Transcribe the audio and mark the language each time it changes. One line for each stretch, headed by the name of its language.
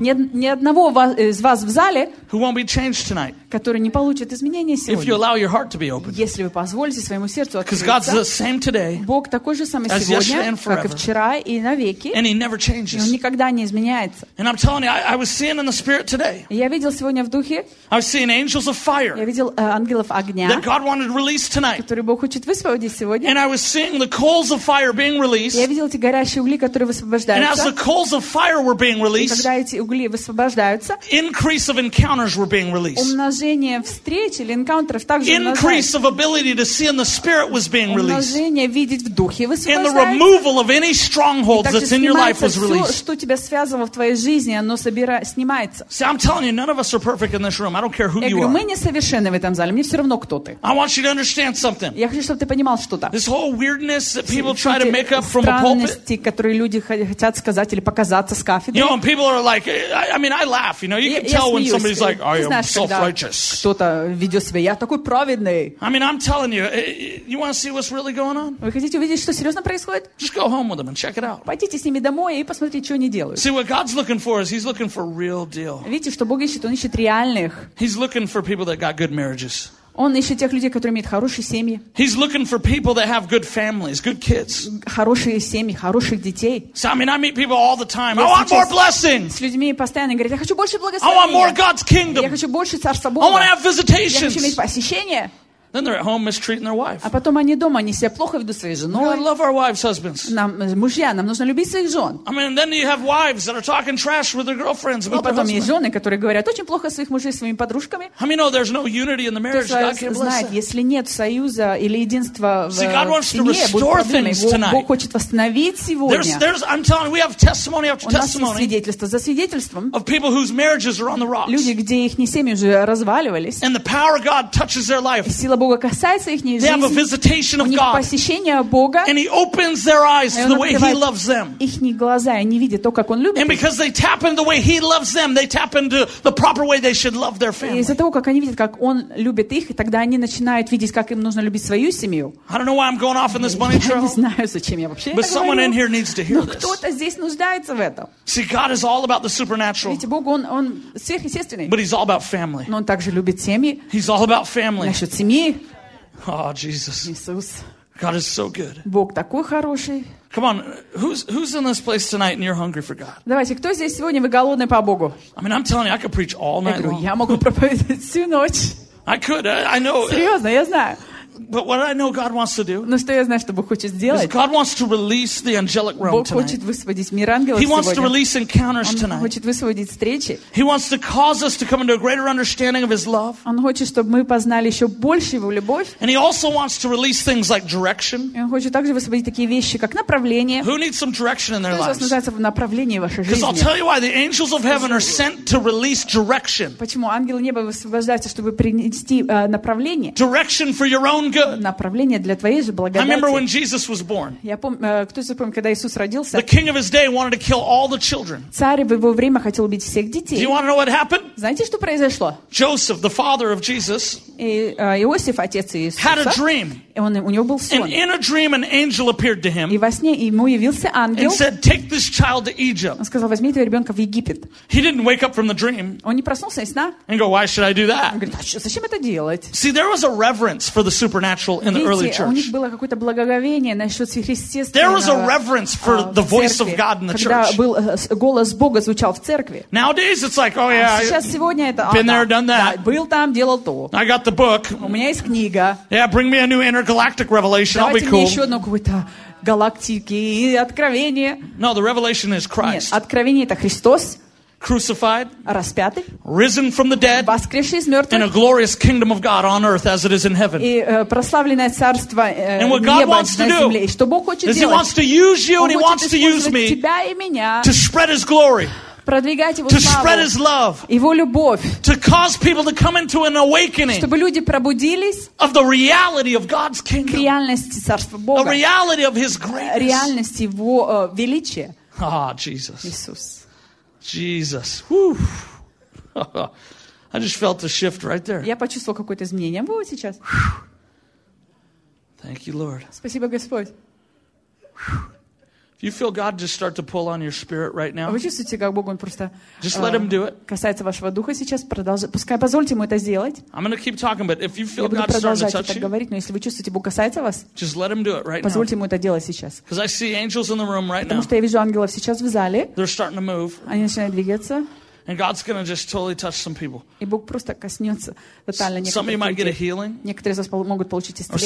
Russian: Нет ни одного из вас в зале.
English: Who won't be changed tonight?
Russian: Который не получит изменения сегодня.
English: If you allow your heart to be open.
Russian: Если вы позволите своему сердцу открыться.
English: Because God's the same today.
Russian: Бог такой же самый сегодня, как и вчера и навеки.
English: And he never changes.
Russian: И он никогда не изменяется.
English: And I'm telling you, I was seeing in the spirit today.
Russian: Я видел сегодня в духе.
English: I've seen angels of fire.
Russian: Я видел ангелов огня. ангелов огня,
English: that God wanted released tonight.
Russian: Которые Бог хочет высвободить сегодня.
English: And I was seeing the coals of fire being released.
Russian: Я видел эти горящие угли, которые высвобождаются.
English: And as the coals of fire were being released,
Russian: когда эти угли высвобождаются,
English: increase of encounters were being released.
Russian: Умножение встреч или encounters также умножается.
English: Increase of ability to see in the spirit was being released.
Russian: Умножение видеть в духе высвобождается.
English: And the removal of any strongholds that's in your life was released.
Russian: Что тебя связывало в твоей жизни, оно снимается.
English: See, I'm telling you, none of us are perfect in this room. I don't care who you are.
Russian: Мы не совершенны в этом зале. Мне все равно, кто ты.
English: I want you to understand something.
Russian: Я хочу, чтобы ты понимал что-то.
English: This whole weirdness that people try to make up from a pulpit.
Russian: Странности, которые люди хотят сказать или показаться с кафедры.
English: You know, and people are like, I mean, I laugh. You know, you can tell when somebody's like, I am self-righteous.
Russian: Кто-то ведет себя, я такой праведный.
English: I mean, I'm telling you, you want to see what's really going on?
Russian: Вы хотите увидеть, что серьезно происходит?
English: Just go home with them and check it out.
Russian: Пойдите с ними домой и посмотрите, что они делают.
English: See, what God's looking for is He's looking for real deal.
Russian: Видите, что Бог ищет, Он ищет реальных.
English: He's looking for people that got good marriages.
Russian: Он ищет тех людей, которые имеют хорошие семьи.
English: He's looking for people that have good families, good kids.
Russian: Хорошие семьи, хороших детей.
English: So, I mean, I meet people all the time. I want more blessings.
Russian: С людьми постоянно говорят, я хочу больше благословения.
English: I want more God's kingdom.
Russian: Я хочу больше Царства Божьего.
English: I want to have visitations.
Russian: Я хочу иметь посещения.
English: Then they're at home mistreating their wife.
Russian: А потом они дома, они себя плохо ведут своей женой.
English: We love our wives, husbands.
Russian: Нам мужья, нам нужно любить своих жен.
English: I mean, then you have wives that are talking trash with their girlfriends about their husbands.
Russian: И потом есть жены, которые говорят очень плохо о своих мужей своими подружками.
English: I mean, no, there's no unity in the marriage. God can bless.
Russian: Знает, если нет союза или единства в семье,
English: God wants to restore things tonight.
Russian: Бог хочет восстановить сегодня.
English: There's, I'm telling you, we have testimony after testimony.
Russian: У нас есть свидетельство за свидетельством.
English: Of people whose marriages are on the rocks.
Russian: Люди, где их не семьи уже разваливались.
English: And the power of God touches their life.
Russian: Бога касается их жизни.
English: They have a visitation of God.
Russian: У них посещение Бога.
English: And He opens their eyes to the way He loves them.
Russian: Их глаза, они видят то, как Он любит.
English: And because they tap into the way He loves them, they tap into the proper way they should love their family.
Russian: Из-за того, как они видят, как Он любит их, тогда они начинают видеть, как им нужно любить свою семью.
English: I don't know why I'm going off in this bunny trail.
Russian: Я не знаю, зачем я вообще.
English: But someone in here needs to hear this.
Russian: Но кто-то здесь нуждается в этом.
English: See, God is all about the supernatural.
Russian: Видите, Бог он сверхъестественный.
English: But He's all about family.
Russian: Но Он также любит семьи.
English: He's all about family.
Russian: Насчет семьи.
English: Oh, Jesus.
Russian: Иисус.
English: God is so good.
Russian: Бог такой хороший.
English: Come on, who's in this place tonight and you're hungry for God?
Russian: Давайте, кто здесь сегодня, вы голодны по Богу?
English: I mean, I'm telling you, I could preach all night long.
Russian: Я могу проповедовать всю ночь.
English: I could, I know.
Russian: Серьезно, я знаю.
English: But what I know God wants to do,
Russian: но что я знаю, что Бог хочет сделать,
English: is God wants to release the angelic realm tonight.
Russian: Бог хочет высвободить мир ангелов
English: He wants
Russian: сегодня.
English: To release encounters tonight.
Russian: Он хочет высвободить встречи.
English: He wants to cause us to come into a greater understanding of His love.
Russian: Он хочет, чтобы мы познали еще больше Его любовь.
English: And He also wants to release things like direction.
Russian: И Он хочет также высвободить такие вещи, как направление.
English: Who needs some direction in their lives?
Russian: Кто из вас нуждается в направлении в вашей жизни?
English: Because I'll tell you why the angels of heaven are sent to release direction.
Russian: Почему ангелы неба высвобождаются, чтобы принести направление?
English: Direction for your own
Russian: направление для твоей же благодати.
English: I remember when Jesus was born.
Russian: Я помню, кто же помнит, когда Иисус родился?
English: The king of his day wanted to kill all the children.
Russian: Царь в его время хотел убить всех детей.
English: Do you want to know what happened?
Russian: Знаете, что произошло?
English: Joseph, the father of Jesus,
Russian: Иосиф, отец Иисуса,
English: had a dream.
Russian: У него был сон.
English: And in a dream, an angel appeared to him.
Russian: И во сне ему явился ангел.
English: And said, "Take this child to Egypt."
Russian: Он сказал, возьми этого ребенка в Египет.
English: He didn't wake up from the dream.
Russian: Он не проснулся из сна.
English: And go, "Why should I do that?"
Russian: Он говорит, зачем это делать?
English: See, there was a reverence for the supernatural in the early church.
Russian: У них было какое-то благоговение насчет сверхъестественного.
English: There was a reverence for the voice of God in the church.
Russian: Когда был голос Бога звучал в церкви.
English: Nowadays it's like, oh yeah.
Russian: Сейчас сегодня это.
English: Been there, done that.
Russian: Был там, делал то.
English: I got the book.
Russian: У меня есть книга.
English: Yeah, bring me a new intergalactic revelation. I'll be cool.
Russian: Давайте мне еще одно какое-то галактики и откровение.
English: No, the revelation is Christ.
Russian: Нет, откровение это Христос.
English: Crucified,
Russian: распятый,
English: risen from the dead,
Russian: воскресший из мертвых,
English: and a glorious kingdom of God on earth as it is in heaven.
Russian: И прославленное царство неба на земле.
English: And what God wants to do,
Russian: и что Бог хочет
English: is
Russian: делать,
English: He wants to use you and He wants to use me
Russian: тебя и меня,
English: to spread His glory.
Russian: Продвигать его
English: to
Russian: славу,
English: spread His love,
Russian: его любовь,
English: to cause people to come into an awakening,
Russian: чтобы люди пробудились,
English: of the reality of God's kingdom,
Russian: к реальности царства Бога,
English: a reality of His greatness,
Russian: реальности его величия.
English: Ah, Jesus.
Russian: Иисус.
English: Jesus. Woo. I just felt the shift right there.
Russian: Я почувствовал какое-то изменение вот сейчас.
English: Thank you, Lord.
Russian: Спасибо, Господь.
English: If you feel God just start to pull on your spirit right now.
Russian: Вы чувствуете, как Бог он просто
English: Just let him do it.
Russian: Касается вашего духа сейчас, продолжайте. Пускай позвольте ему это сделать.
English: I'm going to keep talking, but if you feel God starting to touch you.
Russian: Я буду продолжать говорить, но если вы чувствуете, Бог касается вас.
English: Just let him do it right now.
Russian: Позвольте ему это делать сейчас.
English: Cuz I see angels in the room right now.
Russian: Потому что я вижу ангелов сейчас в зале.
English: They're starting to move.
Russian: Они начинают двигаться.
English: And God's going to just totally touch some people.
Russian: И Бог просто коснётся тотально некоторых.
English: Some of you might get a healing.
Russian: Некоторые из вас могут получить исцеление.